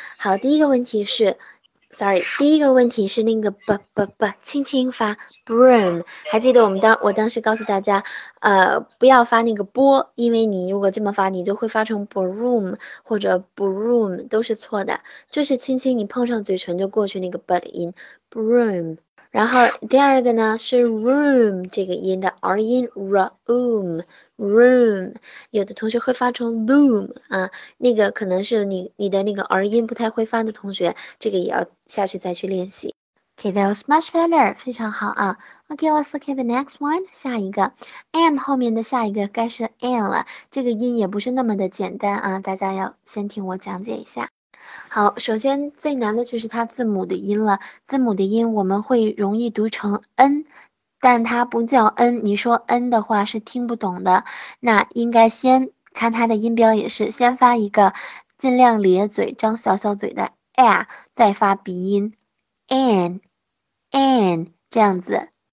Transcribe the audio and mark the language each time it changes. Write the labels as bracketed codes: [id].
[zh] 好，第一个问题是 第一个问题是那个 b 轻轻发 broom， 还记得我当时告诉大家不要发那个波，因为你如果这么发你就会发成 broom 或者 broom， 都是错的，就是轻轻你碰上嘴唇就过去那个 b 的音 broom。然后第二个呢是 room 这个音的 r 音 room， 有的同学会发成 loom 啊，那个可能是你的那个 r 音不太会发的同学，这个也要下去再去练习。 [en] Okay, that was much better， [zh] 非常好啊。 [en] Okay, let's look at the next one， [zh] 下一个 M 后面的下一个该是 L 了，这个音也不是那么的简单啊，大家要先听我讲解一下。好，首先最难的就是它字母的音了，字母的音我们会容易读成 N， 但它不叫 N， 你说 N 的话是听不懂的，那应该先看它的音标，也是先发一个尽量咧嘴张小小嘴的 R， 再发鼻音N 这样子。